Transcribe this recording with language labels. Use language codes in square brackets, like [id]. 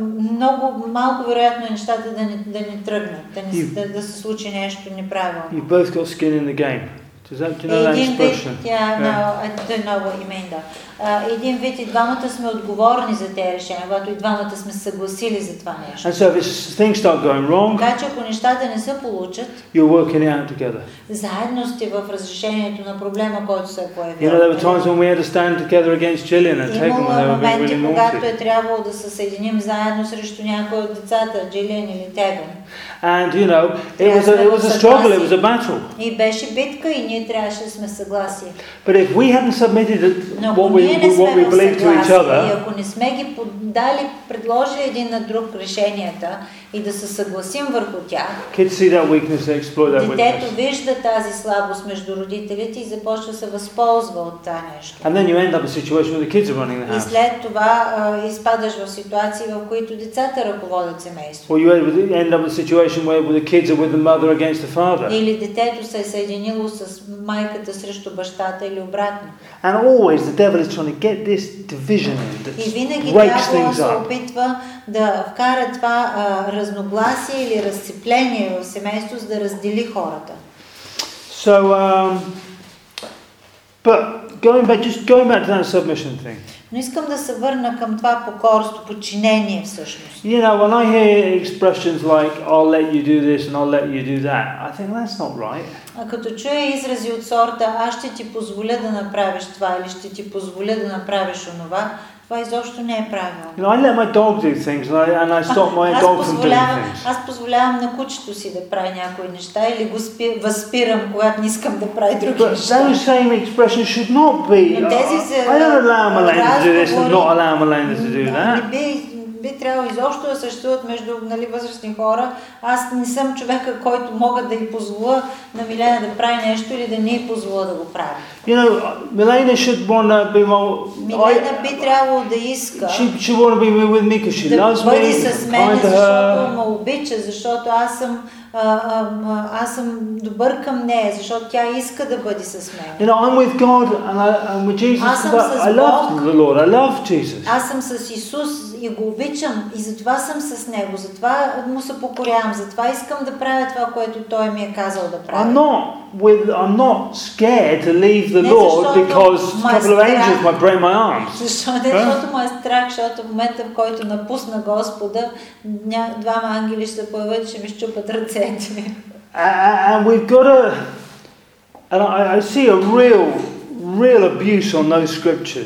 [bg] Много малко вероятно е нещата да не тръгнат, да се случи нещо неправилно. [en] You've both got skin in the game. Does that, do you know that expression? Yeah, yeah. No, I don't know what you mean. [bg] Един вид и двамата сме отговорни за тези решения, когато и двамата сме съгласили за това нещо. [en] And so if things start going wrong, [bg] така че ако нещата не се получат, [en] you're working it out together. [bg] Заедно сте в разрешението на проблема, който се е появил. [en] You know, there were times when we had to stand together against Jillian and take them when they were being really naughty. [bg] Когато е трябвало да се съединим заедно срещу някои от децата, Jillian или Tegan. [en] And you know, it was a struggle, it was a battle. [bg] И беше битка и ние трябваше да сме съгласни. [en] But if we hadn't submitted it, what we believe to each other. [bg] И ако не сме ги подали, предложи един на друг решенията и да се съгласим върху тях. [en] Kids see that weakness and exploit that weakness. [bg] Детето вижда тази слабост между родителите и започва да се възползва от това нещо. [en] And then you end up in a situation where the kids are running the house. [bg] И след това изпадаш в ситуации, в които децата ръководят семейството. [en] Or you end up in a situation where the kids are with the mother against the father. [bg] Или детето се е съединило с майката срещу бащата или обратно. [en] And always the devil is trying to get this division in that breaks things up. [bg] Да вкара това разногласие или разцепление в семейството, за да раздели хората. [en] So, but going back to that submission thing. [bg] Но искам да се върна към това покорство, подчинение всъщност. [en] You know, when I hear expressions like I'll let you do this and I'll let you do that, I think that's not right. [bg] А като чуя изрази от сорта аз ще ти позволя да направиш това или ще ти позволя да направиш онова, това изобщо не е правилно. [en] You know, I let my dog do things and I stop my dog from doing things. [bg] Аз позволявам на кучето си да прави някои неща или го възпирам, когато не искам да прави други неща. [en] But those same expressions should not be. I don't allow Melinda to do this and not allow Melinda to do that. [bg] Би трябвало изобщо да съществуват между, нали, възрастни хора. Аз не съм човека, който мога да й позволя на Милена да прави нещо или да не й позволя да го прави. [en] You know, Milena should want to be more... [bg] Милена би трябвало да иска... [en] She want to be with me because she [bg] да [en] loves me. [bg] Да бъди с мен, защото ме обича, защото аз съм... аз съм добър към нея, защото тя иска да бъде с мен. [en] You know, I'm with God and I'm with Jesus. [bg] Аз съм с Бог. [en] I love the Lord. I love Jesus. [bg] Аз съм с Исус и го обичам и затова съм с него, затова му се покорявам, затова искам да правя това, което той ми е казал да правя. [en] I'm not scared to leave the Lord because a couple of angels might break my arms. [bg] Защото ме е страх, защото в момента, в който напусна Господа, двама ангели ще се появят и ще ми счупат ръцете. [en] And we've got a... And I see a real abuse on those scriptures.